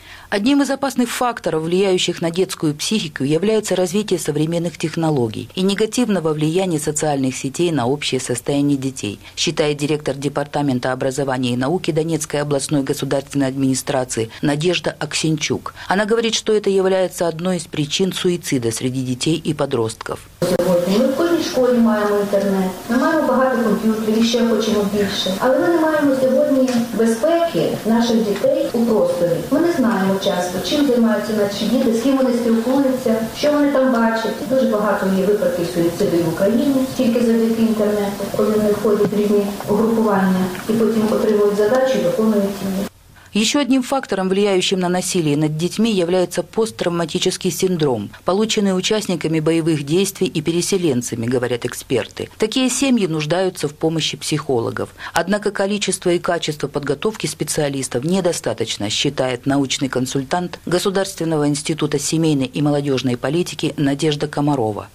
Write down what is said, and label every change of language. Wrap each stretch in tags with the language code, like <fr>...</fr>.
<ru>Одним из опасных факторов, влияющих на детскую психику, является развитие современных технологий и негативного влияния социальных сетей на общее состояние детей, считает директор Департамента образования и науки Донецкой областной государственной администрации Надежда Аксенчук. Она говорит, что это является одной из причин суицида среди детей и подростков.</ru> <uk>Школі маємо інтернет, ми маємо багато комп'ютерів і ще хочемо більше. Але ми не маємо сьогодні безпеки наших дітей у просторі. Ми не знаємо часто, чим займаються наші діти, з ким вони спілкуються, що вони там бачать. Дуже багато є випадків суїциду в Україні тільки завдяки інтернету, коли вони входять в різні угрупування і потім отримують задачі, виконують її.</uk> <ru>Еще одним фактором, влияющим на насилие над детьми, является посттравматический синдром, полученный участниками боевых действий и переселенцами, говорят эксперты. Такие семьи нуждаются в помощи психологов. Однако количество и качество подготовки специалистов недостаточно, считает научный консультант Государственного института семейной и молодежной политики Надежда Комарова.</ru>